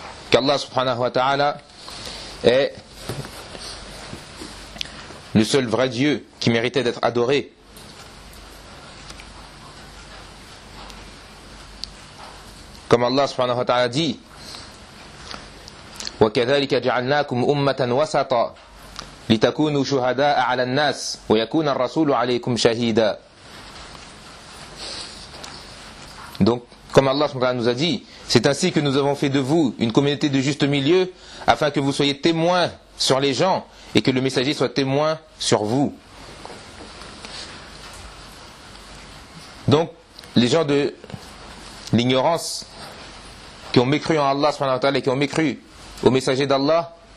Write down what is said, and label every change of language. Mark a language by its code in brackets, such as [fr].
[fr] Qu'Allah subhanahu wa ta'ala est le seul vrai Dieu qui méritait d'être adoré. Comme Allah subhanahu wa ta'ala dit, [ar] وَكَذَلِكَ جَعَلْنَاكُمْ أُمَّةً وَسَطًا لِتَكُونُوا شُهَدَاءَ عَلَى النَّاسِ وَيَكُونَ الرَّسُولُ عَلَيْكُمْ شَهِيدًا. [fr] Donc, comme Allah subhanahu wa ta'ala nous a dit, c'est ainsi que nous avons fait de vous une communauté de juste milieu, afin que vous soyez témoins sur les gens et que le messager soit témoin sur vous. Donc, les gens de l'ignorance qui ont mécru en Allah subhanahu wa ta'ala et qui ont mécru au messager d'Allah.